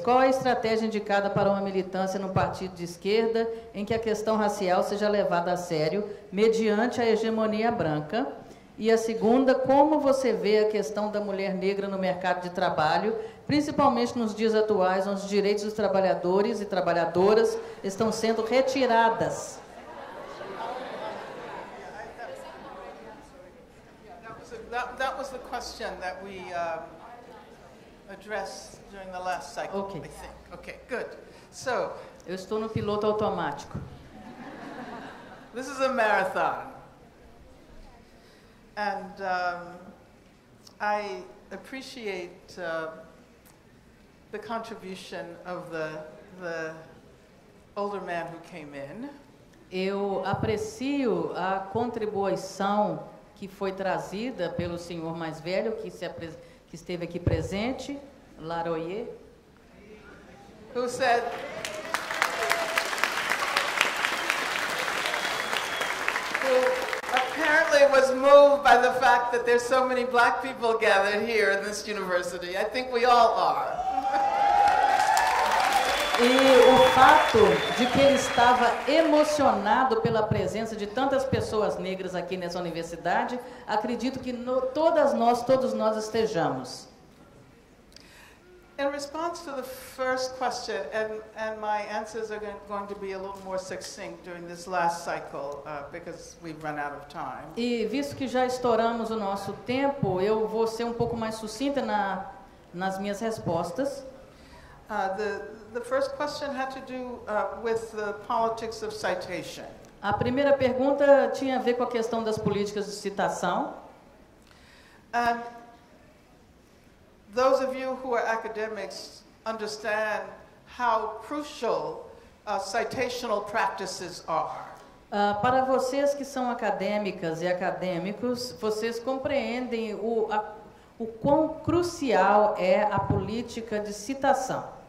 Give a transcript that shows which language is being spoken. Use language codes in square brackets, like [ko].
[pt] Qual é a estratégia indicada para uma militância num partido de esquerda em que a questão racial seja levada a sério mediante a hegemonia branca? E a segunda, como você vê a questão da mulher negra no mercado de trabalho, principalmente nos dias atuais, onde os direitos dos trabalhadores e trabalhadoras estão sendo retiradas? [en] That was the question that we addressed during the last cycle, okay. I think. Okay, good. So, [pt] eu estou no piloto automático. [en] This is a marathon. And I appreciate the contribution of the older man who came in. [pt] Eu aprecio a contribuição que foi trazida pelo senhor mais velho que esteve aqui presente, Laroyer. [en] Who said? Who apparently was moved by the fact that there's so many black people gathered here in this university. I think we all are. [pt] E o fato de que ele estava emocionado pela presença de tantas pessoas negras aqui nessa universidade, acredito que todos nós estejamos. [en] In response to the first question, and my answers are going to be a little more succinct during this last cycle, because we've run out of time. [pt] E visto que já estouramos o nosso tempo, eu vou ser um pouco mais sucinta nas minhas respostas. [en] The first question had to do with the politics of citation. [pt] A primeira pergunta tinha a ver com a questão das políticas de citação. [en] Those of you who are academics understand how crucial citational practices are. [pt] Para vocês que são acadêmicas e acadêmicos, vocês compreendem o quão crucial é a política de citação.